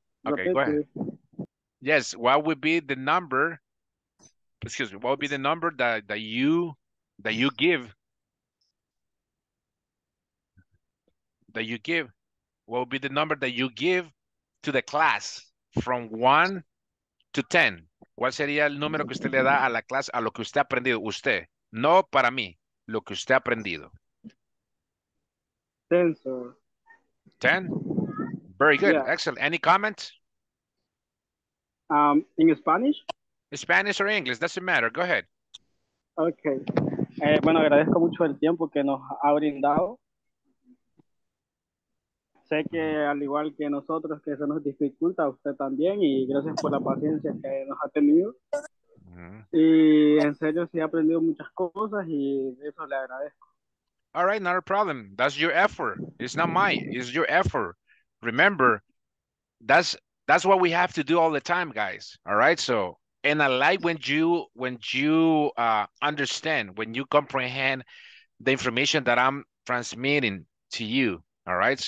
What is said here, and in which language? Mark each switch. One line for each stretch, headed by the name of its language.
English: Okay, go ahead. Yes, what would be the number? Excuse me, what would be the number that you give? What would be the number that you give to the class from 1 to 10?
Spanish: ¿Cuál sería el número que usted le da a la clase, a lo que usted ha aprendido? Usted, no para mí, lo que usted ha aprendido.
English: 10, sir. 10? Very good, yeah. Excellent. Any comments? In Spanish? Spanish or English, doesn't matter. Go ahead. Okay.
Spanish: Bueno, agradezco mucho el tiempo que nos ha brindado. Sé que al igual que nosotros, que se nos dificulta, usted también, y gracias por la paciencia que nos ha tenido. Mm-hmm. Y en serio, sí he aprendido muchas cosas y eso le agradezco.
English: All right, not a problem. That's your effort. It's not mine. It's your effort. Remember, that's what we have to do all the time, guys. All right, so... And I like when you understand, when you comprehend the information that I'm transmitting to you, all right?